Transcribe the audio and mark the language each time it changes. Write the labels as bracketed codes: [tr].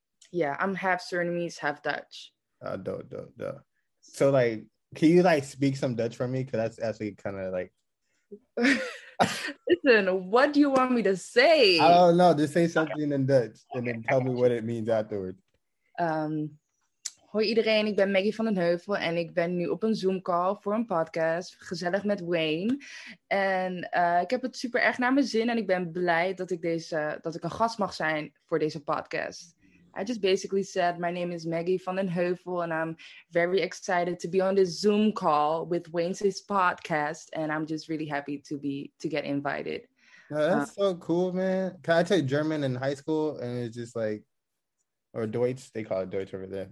[en] Yeah, I'm half Surinamese, half Dutch. Duh. So like, can you like speak some Dutch for me? Because that's actually kind of like. Listen, what do you want me to say? I don't know. Just say something in Dutch and then tell me what it means afterwards. [nl] Hoi iedereen, ik ben Maggy van den Heuvel en ik ben nu op een Zoom call voor een podcast, gezellig met Wayne. En ik heb het super erg naar mijn zin en ik ben blij dat ik een gast mag zijn voor deze podcast. [en] I just basically said, my name is Maggy van den Heuvel and I'm very excited to be on this Zoom call with Wayne's podcast and I'm just really happy to get invited. No, that's so cool, man. Can I take German in high school and it's just like, or Deutsch, they call it Deutsch over there.